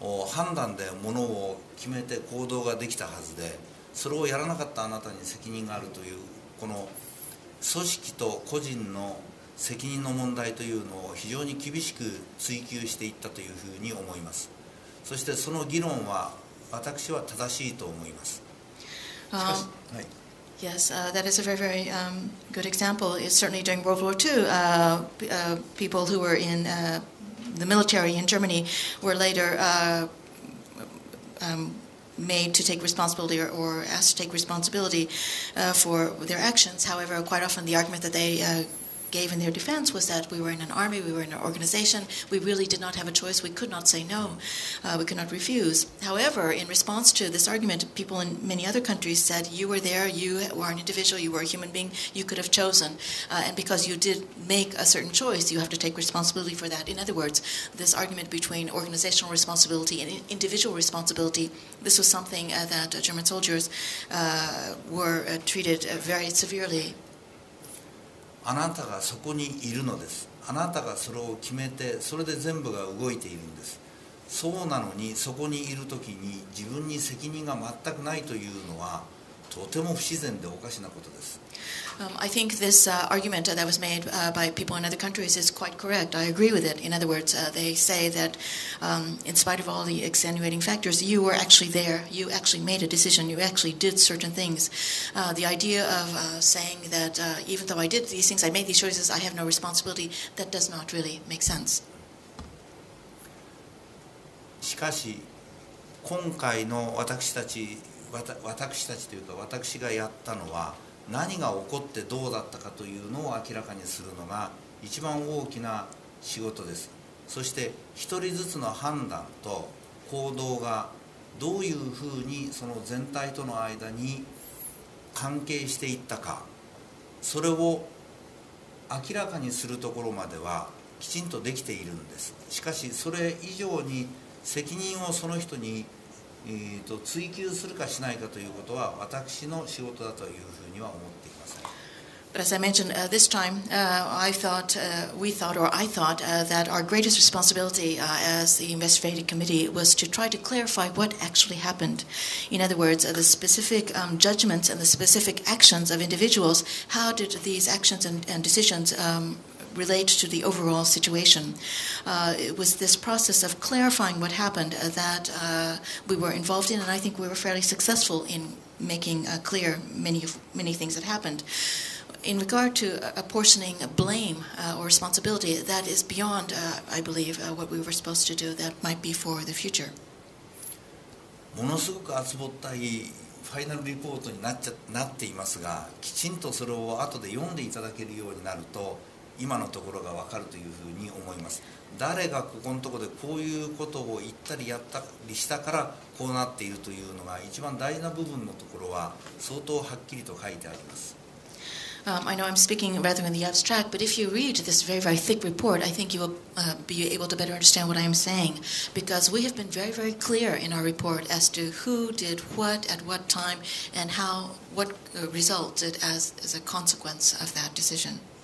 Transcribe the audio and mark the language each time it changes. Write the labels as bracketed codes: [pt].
[ja] 判断で物を決めて行動ができたはずで、それをやらなかったあなたに責任があるという、この組織と個人の責任の問題というのを非常に厳しく追及していったというふうに思います。そしてその議論は私は正しいと思います。しかし、はい、 [en] Yes, that is a very, very good example. It's certainly during World War II, people who were in the military in Germany were later made to take responsibility or asked to take responsibility for their actions. However, quite often the argument that they gave in their defense was that we were in an army, we were in an organization, we really did not have a choice, we could not say no, we could not refuse. However, in response to this argument, people in many other countries said, you were there, you were an individual, you were a human being, you could have chosen, and because you did make a certain choice, you have to take responsibility for that. In other words, this argument between organizational responsibility and individual responsibility, this was something that German soldiers were treated very severely. [ja] あなたがそこにいるのです。あなたがそれを決めて、それで全部が動いているんです。そうなのに、そこにいるときに自分に責任が全くないというのはとても不自然でおかしなことです。 [en] I think this argument that was made by people in other countries is quite correct. I agree with it. In other words, they say that in spite of all the extenuating factors, you were actually there. You actually made a decision. You actually did certain things. The idea of saying that even though I did these things, I made these choices, I have no responsibility, that does not really make sense. [ja] しかし、今回の私たちというか私がやったのは、何が起こってどうだったかというのを明らかにするのが一番大きな仕事です。そして一人ずつの判断と行動がどういうふうにその全体との間に関係していったか、それを明らかにするところまではきちんとできているんです。しかしそれ以上に責任をその人に追及するかしないかということは私の仕事だというふうには思っていません。 [en] But as I mentioned this time I thought that our greatest responsibility as the investigative committee was to try to clarify what actually happened. In other words, the specific judgments and the specific actions of individuals, how did these actions and decisionsrelate to the overall situation. It was this process of clarifying what happened that we were involved in, and I think we were fairly successful in making clear many things that happened. In regard to apportioning blame or responsibility, that is beyond, I believe, what we were supposed to do. That might be for the future. [ja] ものすごく厚ぼったいファイナルリポートになっちゃ、なっていますが、きちんとそれを後で読んでいただけるようになると今のところが分かるというふうに思います。誰がここのところでこういうことを言ったりやったりしたからこうなっているというのが一番大事な部分のところは相当はっきりと書いてあります。 [en] I know I'm speaking rather in the abstract, but if you read this very, very thick report, I think you will be able to better understand what I am saying. Because we have been very, very clear in our report as to who did what at what time and how, what resulted as a consequence of that decision.